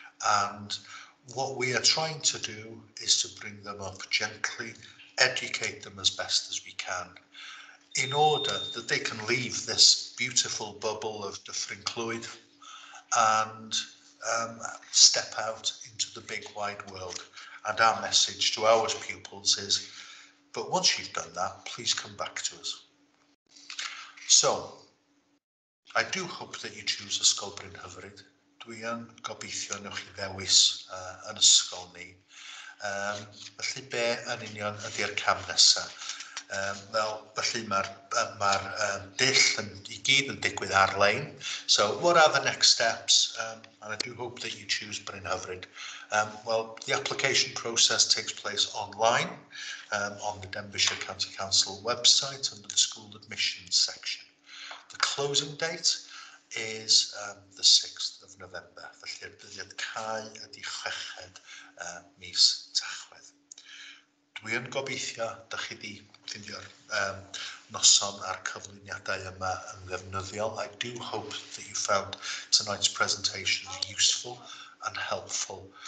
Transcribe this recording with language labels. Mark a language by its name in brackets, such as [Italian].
[English] And what we are trying to do is to bring them up gently, educate them as best as we can, in order that they can leave this beautiful bubble of Dyffryn Clwyd and step out into the big wide world. And our message to our pupils is, but once you've done that, please come back to us. So, I do hope that you choose Ysgol Bryn Hyfryd. [Welsh] Dwi yn gobeithio newch chi ddewis yn ysgol ni. Felly be yn union ydy'r cam nesaf? Felly mae'r dill i gyd yn digwydd ar-lein. [English] So what are the next steps? And I do hope that you choose Bryn Hyfryd. Well, the application process takes place online on the Denbighshire County Council website under the school admissions section. The closing date is the 6th of November. [Welsh] Felly dyddiad cau ydy chweched mis Tachwedd. Dwi yn gobeithio, dych chi di ffeindio'r noson a'r cyflwyniadau yma yn ddefnyddiol. [English] I do hope that you found tonight's presentation useful and helpful.